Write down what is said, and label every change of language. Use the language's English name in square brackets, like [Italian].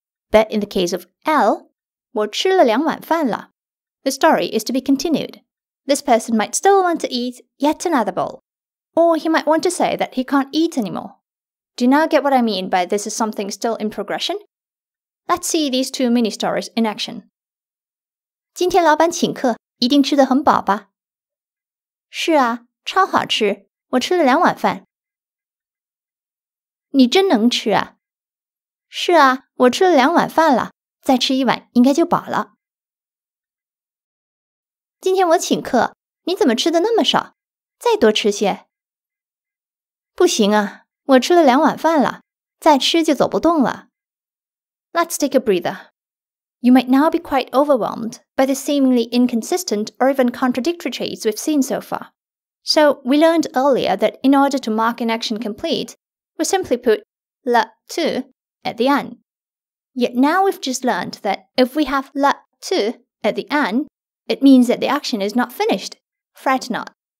[English] But in the case of L, [Chinese] 我吃了两碗饭了。 [English] The story is to be continued. This person might still want to eat yet another bowl. Or he might want to say that he can't eat anymore. Do you now get what I mean by this is something still in progression? Let's see these two mini stories in action. [Chinese] 今天老板请客，一定吃得很饱吧？是啊，超好吃，我吃了两碗饭。你真能吃啊？是啊，我吃了两碗饭了，再吃一碗应该就饱了。今天我请客，你怎么吃的那么少？再多吃些。不行啊，我吃了两碗饭了，再吃就走不动了。 [English] Let's take a breather. You might now be quite overwhelmed by the seemingly inconsistent or even contradictory traits we've seen so far. So, we learned earlier that in order to mark an action complete, we simply put le to at the end. Yet now we've just learned that if we have le to at the end, it means that the action is not finished. Fret not.